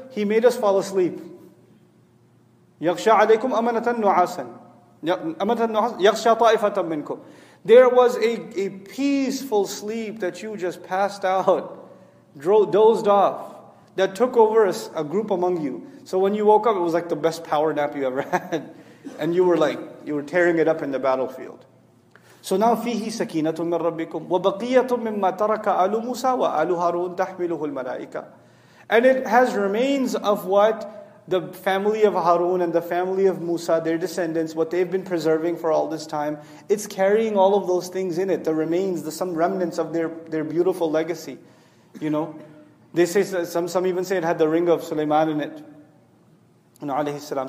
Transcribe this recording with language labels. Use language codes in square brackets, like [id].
[en] He made us fall asleep. [ar] يَغْشَى عَلَيْكُمْ أَمَنَةً نُعَاسًا أَمَنَةً نُعَاسًا يَغْشَى طَائِفَةً مِنْكُمْ. [en] There was a peaceful sleep that you just passed out, dozed off, that took over a group among you. So when you woke up, it was like the best power nap you ever had. And you were tearing it up in the battlefield. So now [ar] فيه سكينة من ربكم وبقية مما ترك آل موسى وآل هارون تحمله الملائكة. [en] And it has remains of what the family of Harun and the family of Musa, their descendants, what they've been preserving for all this time. It's carrying all of those things in it, the remains, the some remnants of their beautiful legacy. You know, they say some even say it had the ring of Sulaiman in it. No, alayhi salam.